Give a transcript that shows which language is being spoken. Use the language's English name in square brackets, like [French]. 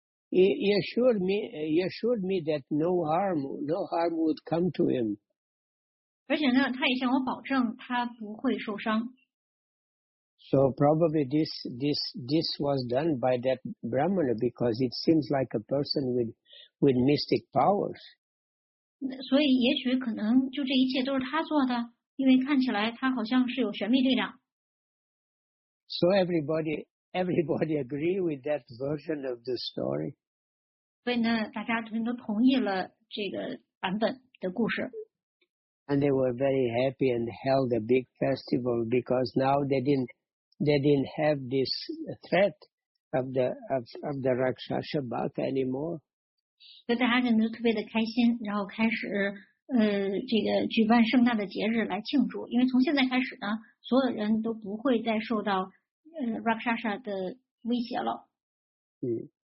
[English] He assured me that no harm would come to him. [Chinese] 而且呢，他也向我保证他不会受伤。 [English] So probably this was done by that Brahmana because it seems like a person with mystic powers. [Chinese] 所以也许可能就这一切都是他做的，因为看起来他好像是有玄秘力量。 [English] So everybody agree with that version of the story. [Chinese] 所以呢，大家都同意了这个版本的故事。 [English] And they were very happy and held a big festival because now they didn't have this threat of the Rakshasa Baka anymore. [Chinese] 所以大家感觉特别的开心，然后开始这个举办盛大的节日来庆祝，因为从现在开始呢，所有人都不会再受到Rakshasa 的威胁了。